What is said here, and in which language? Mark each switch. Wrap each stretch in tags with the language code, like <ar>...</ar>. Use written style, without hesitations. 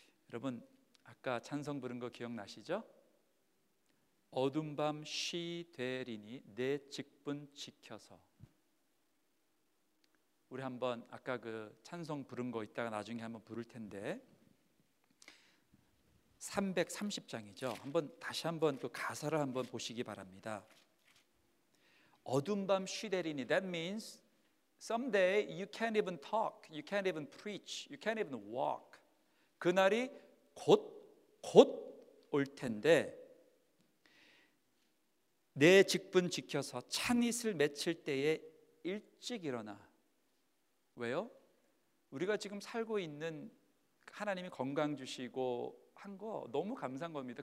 <ko>여러분, 아까 찬송 부른 거 기억나시죠? 어둠 밤 쉬 되리니 내 직분 지켜서. 우리 한번 아까 그 찬송 부른 거 이따가 나중에 한번 부를 텐데, 330장이죠. 한번 다시 한번 그 가사를 한번 보시기 바랍니다. 어둠 밤 쉬 되리니,</ko> <en>that means someday you can't even talk, you can't even preach, you can't even walk.</en> <ko>그날이 곧 올 텐데, 내 직분 지켜서 찬이슬 맺힐 때에 일찍 일어나. 왜요? 우리가 지금 살고 있는, 하나님이 건강 주시고 한 거 너무 감사한 겁니다.</ko>